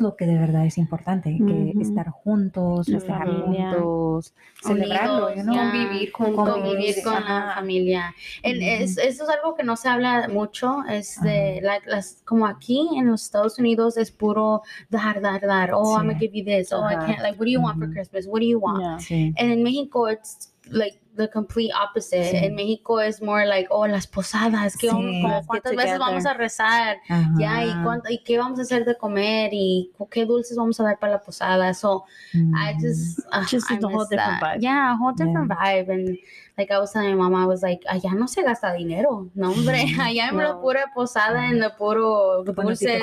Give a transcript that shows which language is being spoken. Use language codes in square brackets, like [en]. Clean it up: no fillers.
[es] lo que de verdad es importante, que estar juntos, estar juntos, celebrarlo, convivir con la familia. Eso es algo que no se habla mucho, es de como aquí en los Estados Unidos es puro dar. [en] Oh, I'm going to give you this. Oh, I can't. Like, what do you want for Christmas? What do you want? And in Mexico, it's like the complete opposite. In Mexico is more like, oh, [es] las posadas, que cuántas veces vamos a rezar, y qué vamos a hacer de comer, y qué dulces vamos a dar para la posada. [en] So I just a whole different vibe. And like I was telling my mom, I was like, [es] allá no se gasta dinero, no hombre, allá en la pura posada, en la puro dulce